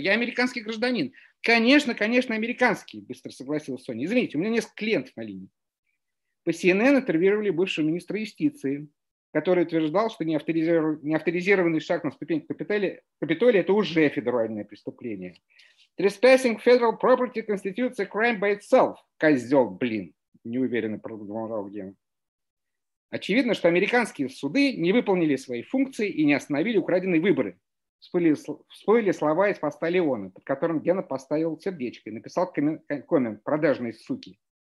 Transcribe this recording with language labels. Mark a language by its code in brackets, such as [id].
[ru] Я американский гражданин. Конечно, конечно, американский, быстро согласилась Соня. Извините, у меня несколько клиентов на линии. По CNN интервьюировали бывшего министра юстиции, который утверждал, что неавторизированный шаг на ступень Капитолия – это уже федеральное преступление. [en] Trespassing federal property constitutes a crime by itself. [ru] Козел, блин. Неуверенно продолжал Ген. Очевидно, что американские суды не выполнили свои функции и не остановили украденные выборы. Всплыли слова из поста Леона, под которым Гена поставил сердечко и написал коммент «Продажные суки».